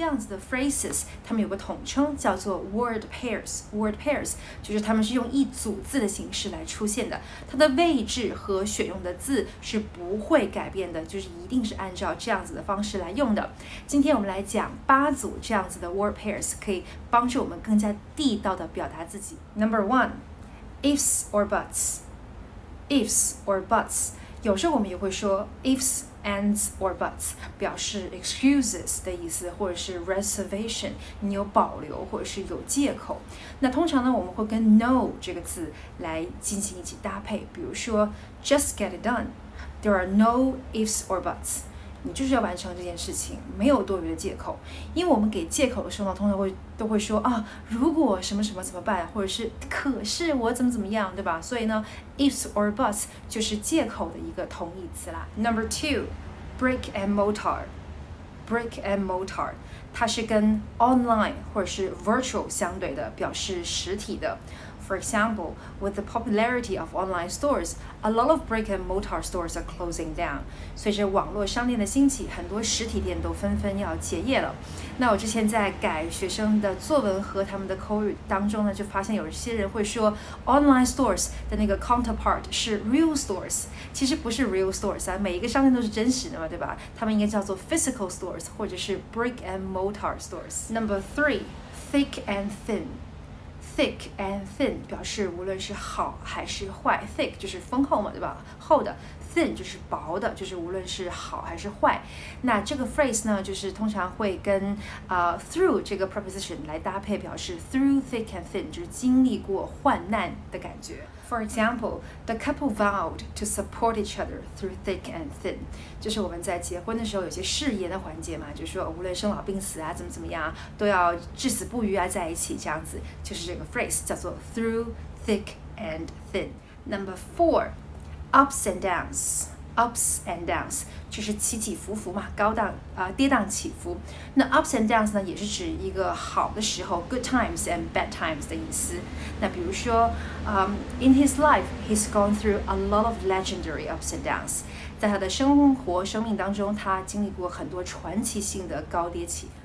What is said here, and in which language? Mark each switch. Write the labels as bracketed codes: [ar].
[zh] 这样子的 phrases 它们有个统称叫做 word pairs， word pairs 就是它们是用一组字的形式来出现的，它的位置和选用的字是不会改变的，就是一定是按照这样子的方式来用的。今天我们来讲八组这样子的 word pairs， 可以帮助我们更加地道的表达自己。 [en] Number one， ifs or buts， [zh] ifs or buts， 有时候我们也会说 ifs ands or buts， 表示 excuses 的意思，或者是 reservation， 你有保留或者是有借口。那通常呢，我们会跟 no 这个字来进行一起搭配，比如说 [en] just get it done， there are no ifs or buts， [zh] 你就是要完成这件事情，没有多余的借口。因为我们给借口的时候呢，通常都会说啊，如果什么什么怎么办，或者是可是我怎么怎么样，对吧？所以呢 ifs or buts 就是借口的一个同义词啦。 [en] Number two， brick and mortar， [zh] brick and mortar 它是跟 online 或者是 virtual 相对的，表示实体的。 [en] For example， with the popularity of online stores， a lot of brick and mortar stores are closing down， [zh] 随着网络商店的兴起，很多实体店都纷纷要结业了。那我之前在改学生的作文和他们的口语当中呢，就发现有些人会说 online stores 的那个 counterpart 是 real stores， 其实不是 real stores 啊，每一个商店都是真实的嘛，对吧？他们应该叫做 physical stores 或者是 brick and mortar stores。 [en] Number three， thick and thin。 Thick and thin [zh] 表示无论是好还是坏， thick 就是丰厚嘛，对吧？厚的， thin 就是薄的，就是无论是好还是坏。那这个 phrase 呢，就是通常会跟through 这个 preposition 来搭配，表示 [en] through thick and thin， [zh] 就是经历过患难的感觉。 [en] For example， the couple vowed to support each other through thick and thin， [zh] 就是我们在结婚的时候有些誓言的环节嘛，就是说无论生老病死啊，怎么怎么样啊，都要至死不渝啊，在一起这样子，就是这个 phrase 叫做 through thick and thin。 [en] Number four， ups and downs， [zh] ups and downs 就是起起伏伏嘛，高档跌宕起伏。那 ups and downs 呢，也是指一个好的时候， [en] good times and bad times [zh] 的意思。那比如说 [en] in his life he's gone through a lot of legendary ups and downs， [zh] 在他的生命当中，他经历过很多传奇性的高跌起。